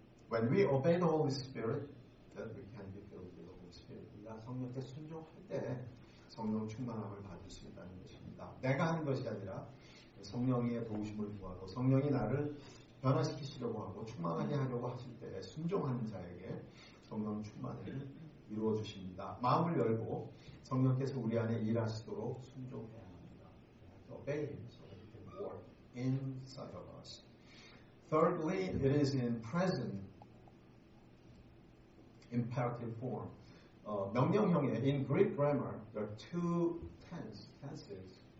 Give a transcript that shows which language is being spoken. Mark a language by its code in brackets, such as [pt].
[en] When we obey the Holy Spirit, that we can be filled with the Holy Spirit. [ko] 우리가 성령께 순종할 때 성령 충만함을 받을 수 있다는 것입니다. 내가 하는 것이 아니라 성령의 도우심을 구하고 성령이 나를 변화시키시려고 하고 충만하게 하려고 하실 때 순종하는 자에게 성령 충만을 이루어주십니다. 마음을 열고 성령께서 우리 안에 일하시도록 순종해야 합니다. [en] Obey Him so that He can work inside of us. Thirdly, it is in present imperative form. 명령형에 in Greek grammar, there are two tenses.